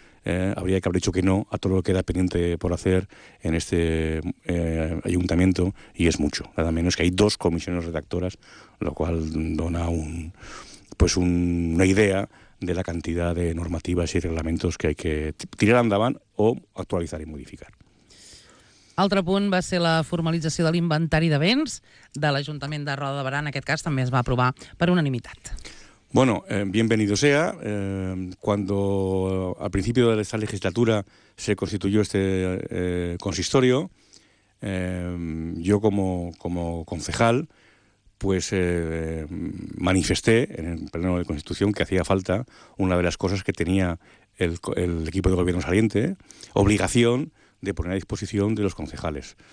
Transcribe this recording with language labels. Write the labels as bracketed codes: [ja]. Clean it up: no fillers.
[es] Habría que haber dicho que no a todo lo que queda pendiente por hacer en este ayuntamiento, y es mucho, nada menos que hay dos comisiones redactoras, lo cual dona una idea de la cantidad de normativas y reglamentos que hay que tirar endavant o actualizar y modificar. [ca] Altre punt va ser la formalització de l'inventari de béns de l'Ajuntament de Roda de Barà, en aquest cas també es va aprovar per unanimitat. [es] Bueno, bienvenido sea. Cuando al principio de esta legislatura se constituyó este consistorio, yo como concejal, pues manifesté en el pleno de constitución que hacía falta una de las cosas que tenía el equipo de gobierno saliente, obligación de poner a disposición de los concejales.